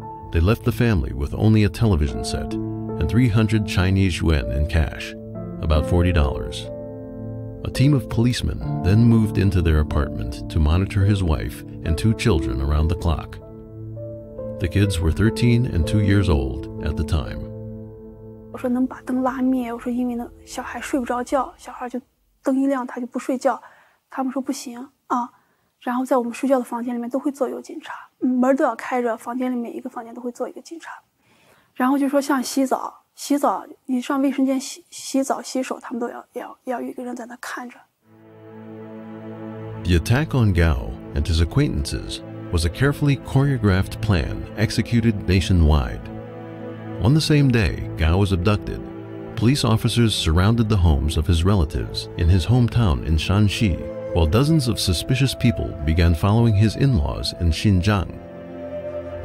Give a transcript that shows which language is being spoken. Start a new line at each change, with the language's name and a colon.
English: they left the family with only a television set and 300 Chinese yuan in cash, about $40. A team of policemen then moved into their apartment to monitor his wife and two children around the clock. The kids were 13 and 2 years old at the time.
Chinese: 我说能把灯拉灭，我说因为那小孩睡不着觉，小孩就灯一亮他就不睡觉，他们说不行啊，然后在我们睡觉的房间里面都会坐一个警察，门都要开着，房间里面一个房间都会坐一个警察，然后就说像洗澡，洗澡你上卫生间洗澡洗手，他们都要有一个人在那看着。
English: The attack on Gao and his acquaintances was a carefully choreographed plan executed nationwide. On the same day Gao was abducted, police officers surrounded the homes of his relatives in his hometown in Shanxi, while dozens of suspicious people began following his in-laws in Xinjiang.